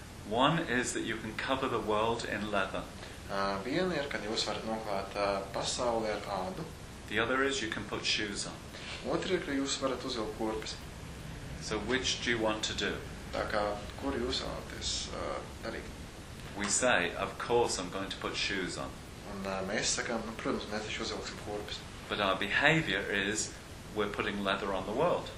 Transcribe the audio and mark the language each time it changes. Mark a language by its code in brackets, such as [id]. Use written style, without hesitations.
[en] One is that you can cover the world in leather. [lv] Viena ir, ka jūs varat noklāt pasauli ar ādu. [en] The other is you can put shoes on. [lv] Otra ir, ka jūs varat uzvilkt kurpes. [en] So which do you want to do? [lv] Tā kā, kur jūs vēlaties darīt? [en] We say, of course I'm going to put shoes on. [lv] Un mēs sakām, nu, protams, mēs taču uzvilksim kurpes. [en] But our behavior is we're putting leather on the world.